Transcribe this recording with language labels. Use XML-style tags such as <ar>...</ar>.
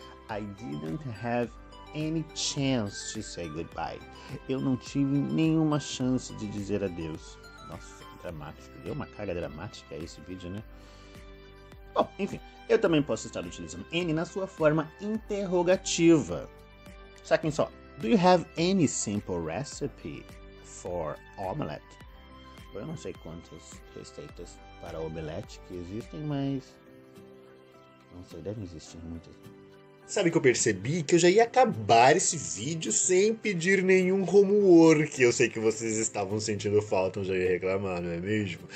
<en>I didn't have any chance to say goodbye.</en> <pt>Eu não tive nenhuma chance de dizer adeus. Nossa, dramático. Deu uma carga dramática esse vídeo, né? Bom, enfim, eu também posso estar utilizando any na sua forma interrogativa. Saquem só.</pt> <en>Do you have any simple recipe for omelette?</en> <pt>Eu não sei quantas receitas para omelete que existem, mas... não sei, devem existir muitas. Sabe que eu percebi? Que eu já ia acabar esse vídeo sem pedir nenhum homework. Eu sei que vocês estavam sentindo falta, eu já ia reclamar, não é mesmo?</pt>